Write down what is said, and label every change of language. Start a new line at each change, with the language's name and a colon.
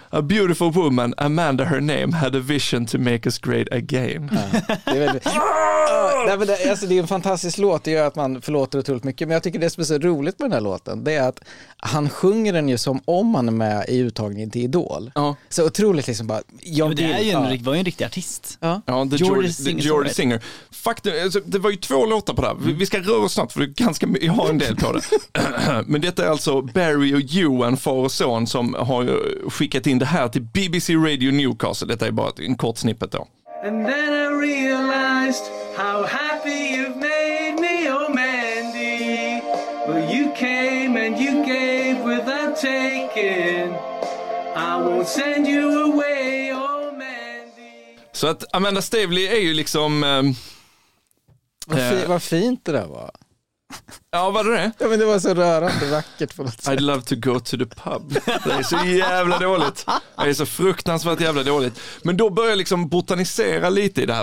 English: A beautiful woman, Amanda her name, had a vision to make us great again.
Swedish: Det är väldigt... alltså, det är en fantastisk låt, det gör att man förlåter otroligt mycket. Men jag tycker det som är så roligt med den här låten, det är att han sjunger den ju som om han är med i uttagningen till Idol. Så otroligt liksom bara... Var ju en riktig artist. Jordy Singer. Faktum, alltså, det var ju två låtar på det här. Vi ska röra oss snabbt. Ganska, jag har en del på det. Men detta är alltså Barry och Johan, far och son, som har skickat in det här till BBC Radio Newcastle. Detta är bara en kort snippet då.
English: And then I realized how happy you've made me, oh Mandy. Well, you came and you gave without taking. I won't send you away, oh Mandy.
Swedish: Så att Amanda Stavely är ju liksom Vad fint det där var. Ja, vad är det? Ja, men det var så rörande vackert på något sätt.
English: I'd love to go to the pub.
Swedish: Det är så jävla dåligt. Det är så fruktansvärt jävla dåligt. Men då börjar jag liksom botanisera lite i det här.